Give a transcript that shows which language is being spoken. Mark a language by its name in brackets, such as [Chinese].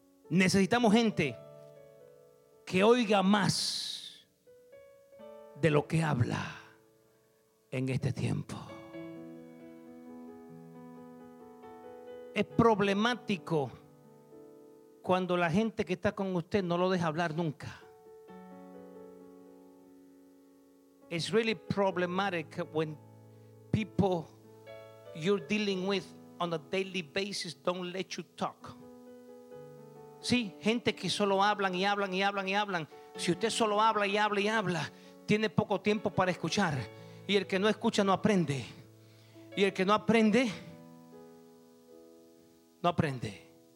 [Spanish] Necesitamos gente que oiga más de lo que habla en este tiempo. Es problemático cuando la gente que está con usted no lo deja hablar nunca. [English] It's really problematic when people you're dealing with on a daily basis don't let you talk. [Spanish] Sí, gente que solo hablan y hablan y hablan y hablan. Si usted solo habla y habla y habla, tiene poco tiempo para escuchar. Y el que no escucha no aprende. Y el que no aprende, no aprende.